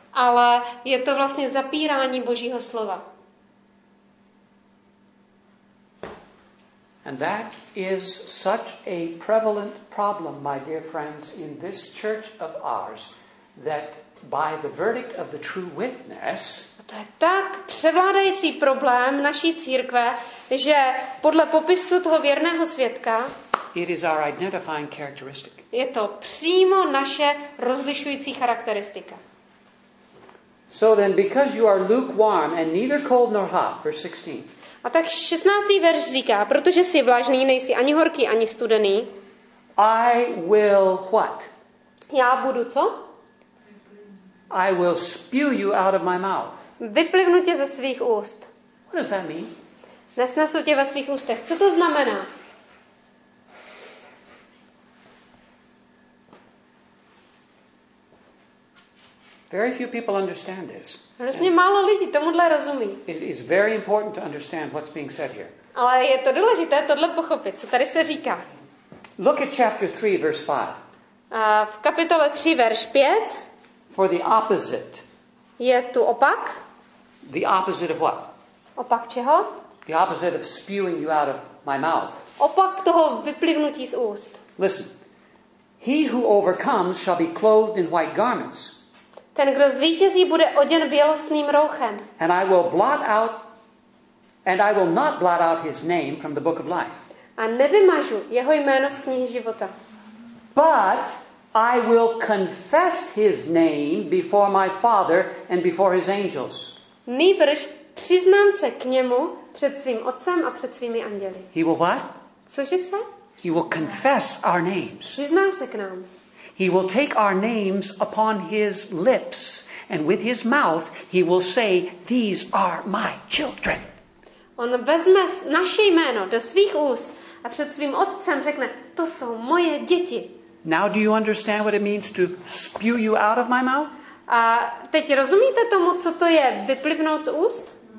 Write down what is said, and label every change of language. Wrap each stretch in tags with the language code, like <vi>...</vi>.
<cs>Ale je to vlastně zapírání Božího slova.</cs> <en>And that is such a prevalent problem, my dear friends, in this church of ours, that by the verdict of the true witness.</en> <cs>A to je tak převládající problém naší církve, že podle popisu toho věrného svědka.</cs> <en>It is our identifying characteristic.</en> <cs>Je to přímo naše rozlišující charakteristika.</cs> <en>So then, because you are lukewarm and neither cold nor hot, verse 16.</en> <cs>A tak 16. verš říká, protože jsi vlažný, nejsi ani horký, ani studený.</cs> <en>I will what?</en> <cs>Já budu co?</cs> <en>I will spew you out of my mouth.</en> <cs>Vyplivnu tě ze svých úst.</cs> <en>What does that mean?</en> <cs>Nesnesu tě ve svých ústech. Co to znamená?</cs> <en>Very few people understand this.</en> <cs>Hrozně málo lidí tomuhle rozumí.</cs> <en>It is very important to understand what's being said here.</en> <cs>Ale je to důležité tohle pochopit, co tady se říká.</cs> <en>Look at chapter 3, verse 5.</en> <cs>V kapitole 3 verš 5</cs> <en>for the opposite.</en> <cs>Je tu opak.</cs> <en>The opposite of what?</en> <cs>Opak čeho?</cs> <en>The opposite of spewing you out of my mouth.</en> <cs>Opak toho vyplivnutí z úst.</cs> <en>Listen. He who overcomes shall be clothed in white garments.</en> <cs>Ten, kdo zvítězí, bude oděn bělosným rouchem.</cs> <en>And I will blot out and I will not blot out his name from the book of life.</en> <cs>A nevymažu jeho jméno z knihy života.</cs> <en>But I will confess his name before my father and before his angels.</en> <cs>Nýbrž přiznám se k němu před svým otcem a před svými anděli.</cs> <en>He will what?</en> <cs>Cože se?</cs> <en>He will confess our names.</en> <cs>Přizná se k nám.</cs> <en>He will take our names upon his lips and with his mouth he will say, these are my children.</en> <cs>On vezme naše jméno do svých úst a před svým otcem řekne, to jsou moje děti.</cs> <en>Now do you understand what it means to spew you out of my mouth?</en> <cs>A teď rozumíte tomu, co to je vyplivnout z úst?</cs>